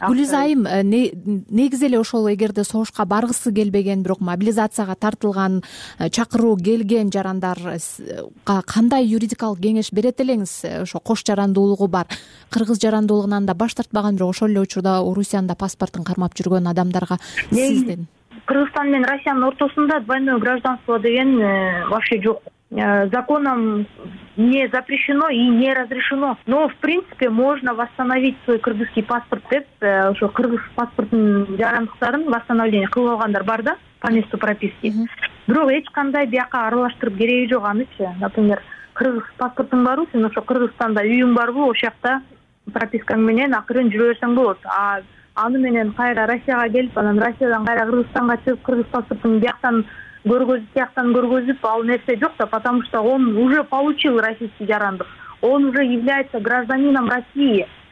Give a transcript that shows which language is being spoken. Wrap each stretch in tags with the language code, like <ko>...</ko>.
<ky>Гүлүз айым, негизи эле ошол эгерде согушка баргысы келбеген, бирок мобилизацияга тартылган, чакыруу келген жарандарга кандай юридикалык кеңеш берет элеңиз? Ошо кош жарандуулугу бар, кыргыз жарандуулугунан да баш тартпаган, бирок ошол эле учурда Орусиянын да паспортун кармап жүргөн адамдарга сизден. Кыргызстан менен Россиянын ортосунда</ky> <ru>двойное гражданство</ru> <ky>деген вообще жок.</ky> <ru>Законом не запрещено и не разрешено, но в принципе можно восстановить свой кыргызский паспорт</ru> <ky>деп ошо кыргыз паспортун жарандыктарын восстановление кылып алгандар бар да</ky> <ru>по месту прописки.</ru> <ky>Бирок эч кандай бияка аралаштырып кереги жок анычы. Например, кыргыз паспортуң барбы, сен ошо Кыргызстанда үйүң барбы, ошол жакта пропискаң менен акырын жүрө берсең болот. А аны менен кайра Россияга келип, анан Россиядан кайра Кыргызстанга чыгып, кыргыз паспортун бияктан көргөзүп ал нерсе жок да,</ky> <ru>потому что он уже получил российский жарандык, он уже является гражданином России.</ru>